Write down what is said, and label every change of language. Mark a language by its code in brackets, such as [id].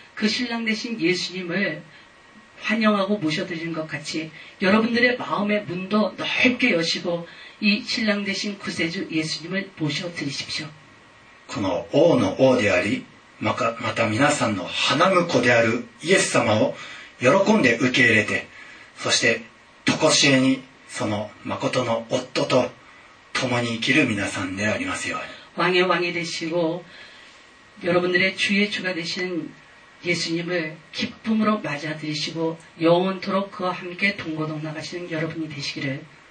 [ko] 그 신랑 되신 예수님을 환영하고 모셔드리는 것 같이 여러분들의 마음의 문도 넓게 여시고 이 신랑 되신 구세주 예수님을 모셔드리십시오. [ja] この王の王であり、また皆さんの花婿である、イエス様を喜んで受け入れて、そして常しえにその誠の夫と共に生きる皆さんでありますように。 [ko] 왕의 왕이 되시고 여러분들의 주의 주가 되신 예수님을 기쁨으로 맞아들이시고 영원토록 그와 함께 동고동락하시는 여러분이 되시기를.